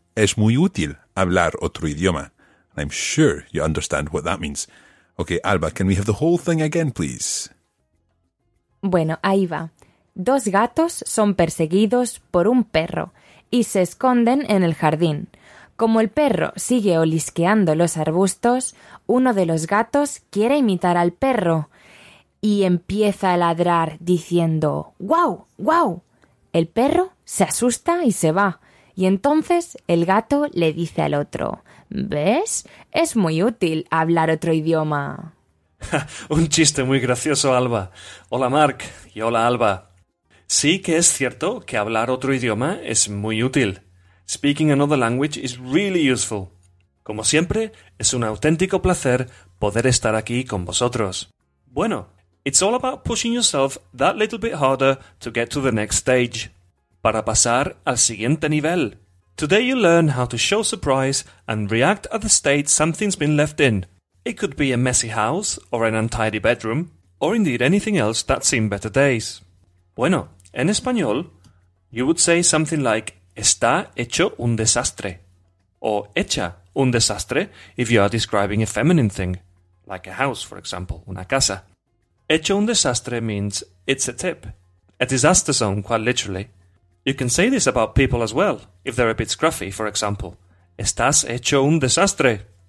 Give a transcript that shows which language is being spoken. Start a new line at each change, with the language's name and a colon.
Spanish: Es muy útil hablar otro idioma.
English: I'm sure you understand what that means. Okay, Alba, can we have the whole thing again, please?
Spanish: Bueno, ahí va. Dos gatos son perseguidos por un perro y se esconden en el jardín. Como el perro sigue olisqueando los arbustos, uno de los gatos quiere imitar al perro y empieza a ladrar diciendo ¡guau! ¡Guau! El perro se asusta y se va. Y entonces el gato le dice al otro: ¿ves? Es muy útil hablar otro idioma. Un chiste muy gracioso, Alba. Hola, Mark. Y hola, Alba. Sí que es cierto que hablar otro idioma es muy útil.
English: Speaking another language is really useful.
Spanish: Como siempre, es un auténtico placer poder estar aquí con vosotros. Bueno,
English: it's all about pushing yourself that little bit harder to get to the next stage.
Spanish: Para pasar al siguiente nivel.
English: Today you learn how to show surprise and react at the state something's been left in. It could be a messy house or an untidy bedroom, or indeed anything else that's seen better days.
Spanish: Bueno, en español,
English: you would say something like
Spanish: está hecho un desastre,
English: or
Spanish: hecha un desastre
English: if you are describing a feminine thing, like a house, for example,
Spanish: una casa. Hecho un desastre
English: means it's a tip, a disaster zone, quite literally. You can say this about people as well, if they're a bit scruffy, for example.
Spanish: Estás hecho un desastre.